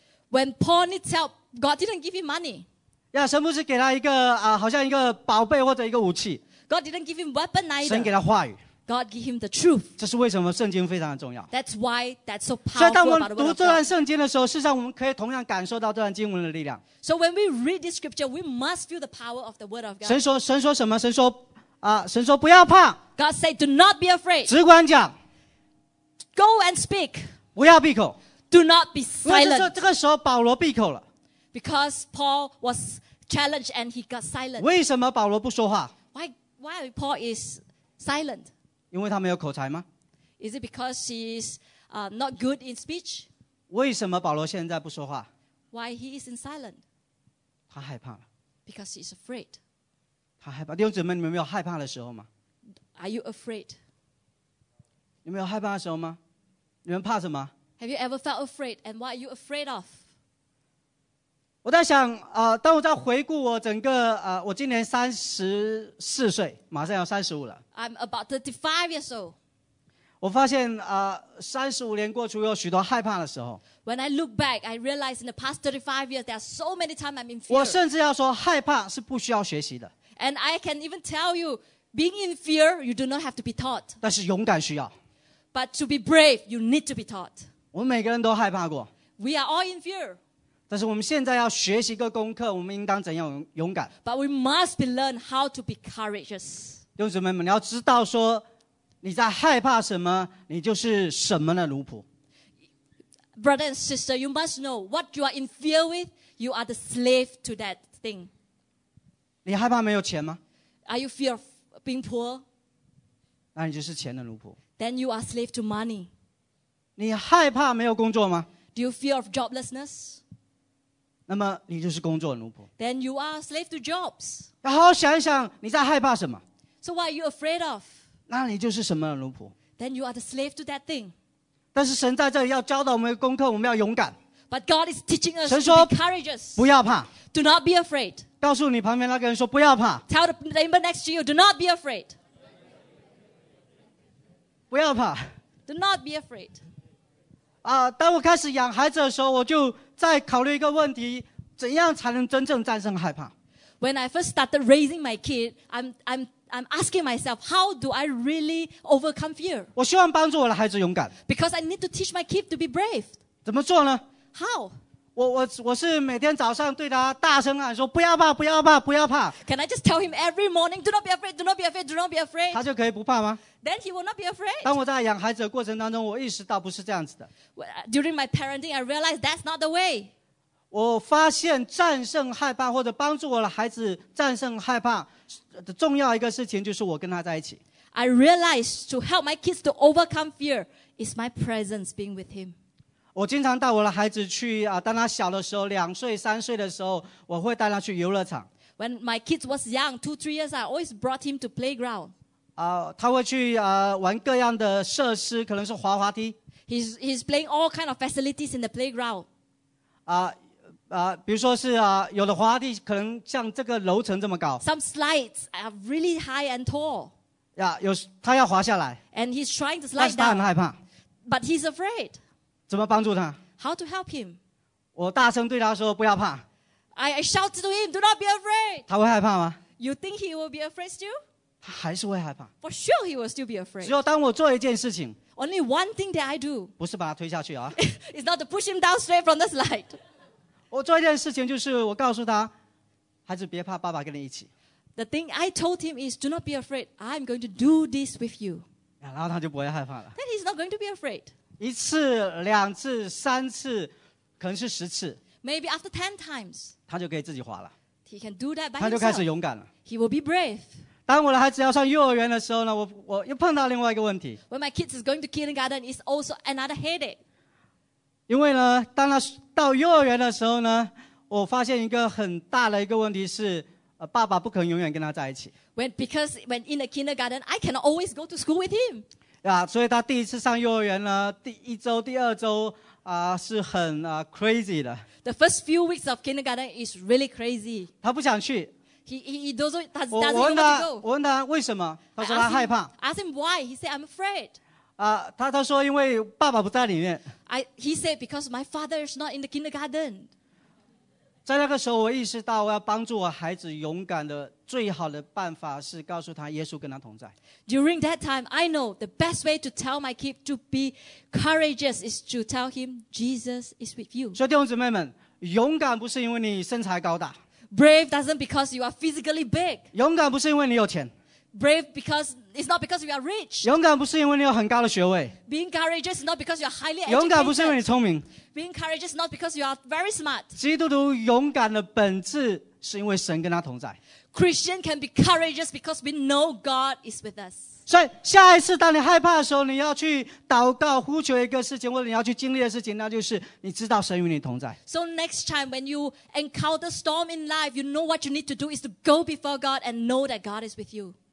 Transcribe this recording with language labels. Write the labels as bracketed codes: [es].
[en] When Paul needs help,God didn't give him money. [zh] Yeah, 神不是给他一个好像一个宝贝或者一个武器。 [en] God didn't give him weapon either. [zh] 神给他话语。 [en] God gave him the truth. [zh] 这是为什么圣经非常的重要。 [en] That's why that's so powerful. [zh] 所以当我们读这段圣经的时候，事实上我们可以同样感受到这段经文的力量。 [en] So when we read this scripture, we must feel the power of the word of God. [zh] 神说什么？神说不要怕。 [en] God said, "Do not be afraid." [zh] 只管讲。 [en] Go and speak. [zh] 不要闭口。 [en] Do not be silent. [zh] 这个时候保罗闭口了。 [en] Because Paul was challenged and he got silent. [zh] 为什么保罗不说话？ [en] Why Paul is silent? [zh] 因为他没有口才吗？ [en] Is it because he's not good in speech? [zh] 为什么保罗现在不说话？ [en] Why he is in silent? [zh] 他害怕了。 [en] Because he's afraid. [zh] 他害怕。弟兄姊妹，你们没有害怕的时候吗？ [en] Are you afraid? [zh] 你们有害怕的时候吗？你们怕什么？ [en] Have you ever felt afraid? And what are you afraid of? [zh] 我在想当我在回顾我整个我今年34岁，马上要35了。 [en] I'm about 35 years old. [zh] 我发现35年过去有许多害怕的时候。 [en] When I look back, I realize in the past 35 years, there are so many times I'm in fear. [zh] 我甚至要说害怕是不需要学习的。 [en] And I can even tell you, being in fear, you do not have to be taught. [zh] 但是勇敢需要。 [en] But to be brave, you need to be taught. [zh] 我们每个人都害怕过。 [en] We are all in fear. [zh] 但是我们现在要学习一个功课，我们应当怎样勇敢 [en] ？But we must be learn how to be courageous. [zh] 弟兄姊妹们，你要知道说你在害怕什么，你就是什么的奴仆。 [en] Brother and sister, you must know what you are in fear with. You are the slave to that thing. [zh] 你害怕没有钱吗 [en] ？Are you fear of being poor? [zh] 那你就是钱的奴仆。 [en] Then you are slave to money. [zh] 你害怕没有工作吗 [en] ？Do you fear of joblessness? [zh] 那么你就是工作的奴仆。 [en] Then you are slave to jobs. [zh] 好好想一想，你在害怕什么 [en] ？So what are you afraid of? [zh] 那你就是什么的奴仆 [en] ？Then you are the slave to that thing. [zh] 但是神在这里要教导我们的功课，我们要勇敢。 [en] But God is teaching us. [zh] 神说 [en] to be courageous. [zh] 不要怕。 [en] Do not be afraid. [zh] 告诉你旁边那个人说不要怕。 [en] Tell the neighbor next to you, do not be afraid. [zh] 不要怕。 [en] Do not be afraid. [zh] 当我开始养孩子的时候，我就。在考虑一个问题，怎样才能真正战胜害怕 [en] ？When I first started raising my kid, I'm asking myself, how do I really overcome fear? [zh] 我希望帮助我的孩子勇敢。 [en] Because I need to teach my kid to be brave. [zh] 怎么做呢 [en] ？How? [zh] 我是每天早上对他大声喊说，不要怕，不要怕，不要怕。 [en] Can I just tell him every morning, do not be afraid, do not be afraid, do not be afraid? [zh] 他就可以不怕吗？ [en] Then he will not be afraid. [zh] 当我在养孩子的过程当中，我意识到不是这样子的。 [en] During my parenting, I realized that's not the way. [zh] 我发现战胜害怕或者帮助我的孩子战胜害怕的重要一个事情就是我跟他在一起。 [en] I realize to help my kids to overcome fear is my presence being with him. [zh] 我经常带我的孩子去啊，当他小的时候，两岁、三岁的时候，我会带他去游乐场。 [en] When my kids was young, 2-3 years, I always brought him to playground. [zh] 啊，他会去啊玩各样的设施，可能是滑滑梯。 [en] He's playing all kind of facilities in the playground. 啊。 [zh] 比如说是有的滑梯可能像这个楼层这么高。 [en] Some slides are really high and tall. [zh] 呀，有他要滑下来。 [en] And he's trying to slide down. [zh] 但是他很害怕。 [en] But he's afraid. [zh] 怎么帮助他 [en] ？How to help him? [zh] 我大声对他说：“不要怕。 [en] ”I shout to him, "Do not be afraid." [zh] 他会害怕吗 [en] ？You think he will be afraid still? [zh] 他还是会害怕。 [en] For sure, he will still be afraid. [zh] 只有当我做一件事情 [en] ，Only one thing that I do. [zh] 不是把他推下去啊。 [en] It's not to push him down straight from the slide. [zh] 我做一件事情就是我告诉他，孩子别怕，爸爸跟你一起。 [en] The thing I told him is, do not be afraid. I'm going to do this with you. [zh] 然后他就不会害怕了。 [en] Then he's not going to be afraid. [zh] 一次、两次、三次，可能是十次。 [en] Maybe after 10 times. [zh] 他就可以自己滑了。 [en] He can do that by himself. [zh] 他就开始勇敢了。 [en] He will be brave. [zh] 当我的孩子要上幼儿园的时候呢，我又碰到另外一个问题。 [en] When my kids is going to kindergarten, it's also another headache. [zh] 因为呢，当他到幼儿园的时候呢，我发现一个很大的一个问题是，爸爸不可能永远跟他在一起。 [en] Because when in the kindergarten, I cannot always go to school with him. [zh] 呀，所以他第一次上幼儿园呢，第一周、第二周啊、是很啊、crazy 的。 [en] The first few weeks of kindergarten is really crazy. [zh] 他不想去。 [en] He doesn't want to go. [zh] 我问他为什么，他说他害怕。 [en] I asked him why. He said I'm afraid. [zh] 他说因为爸爸不在里面。 [en] He said because my father is not in the kindergarten. [zh] 在那个时候我意识到我要帮助我孩子勇敢的最好的办法是告诉他耶稣跟他同在。 [en] During that time, I know the best way to tell my kid to be courageous is to tell him Jesus is with you. [zh] 所以弟兄姊妹们，勇敢不是因为你身材高大。 [en] Brave doesn't because you are physically big. [zh] 勇敢不是因为你有钱。 [en] Brave because it's not because you are rich. [zh] 勇敢不是因为你有很高的学位。 [en] Being courageous is not because you are highly educated. [zh] 勇敢不是因为你聪明。 [en] Being courageous is not because you are very smart. [zh] 基督徒勇敢的本质是因为神跟他同在。 [en] Christian can be courageous because we know God is with us. [zh] 所以下一次当你害怕的时候，你要去祷告呼求一个事情，或者你要去经历的事情，那就是你知道神与你同在。 [en] So next time when you encounter storm in life, you know what you need to do is to go before God and know that God is with you.